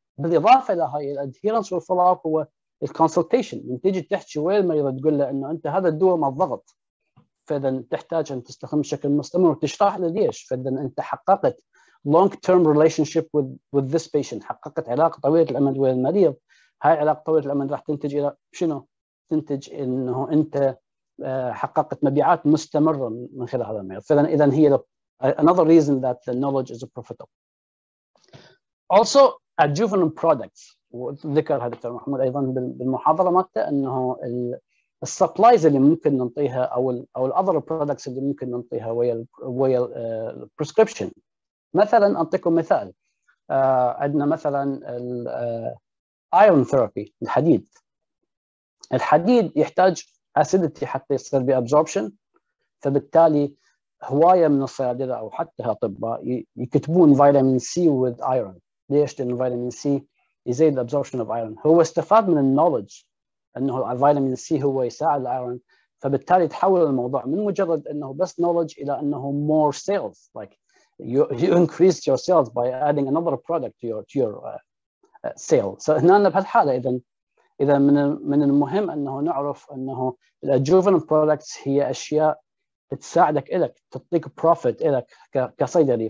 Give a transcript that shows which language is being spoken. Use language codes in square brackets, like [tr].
[ar] بالإضافة إلى هاي الأدهيرنس والفولوب هو الكونسلتيشن، من تيجي تحكي ويا المريض تقول له إنه أنت هذا الدواء ما ضغط، فإذا تحتاج أن تستخدم بشكل مستمر وتشرح له ليش، فإذا أنت حققت [en] long term relationship with this patient، [ar] حققت علاقة طويلة الأمد ويا المريض. هاي علاقة طويلة الأمد راح تنتج إلى شنو؟ تنتج إنه أنت حققت مبيعات مستمرة من خلال هذا المريض. فإذا هي [en] another reason that the knowledge is profitable. Also adjuvant products. [ar] وذكر هذا الدكتور محمود ايضا بالمحاضره مالته انه السبلايز اللي ممكن نعطيها او الاذر برودكتس اللي ممكن نعطيها ويا البريسكريبشن. مثلا اعطيكم مثال، عندنا مثلا الايرون ثيرابي، الحديد يحتاج اسيدتي حتى يصير بي ابزوربشن. فبالتالي هوايه من الصيادله او حتى الاطباء يكتبون فيتامين سي وذ ايرون. ليش؟ لان فيتامين سي يزيد [en] absorption of iron. [ar] هو استفاد من النولج أنه الفيتامين سي هو يساعد الايرون، فبالتالي تحول الموضوع من مجرد أنه بس نولج إلى أنه [en] more sales. Like you increase your sales by adding another product to your sale. So [ar] هنا بهالحالة إذا من المهم أنه نعرف أنه adjuvant products هي أشياء تساعدك إلك، تعطيك profit إلك كصيدلي.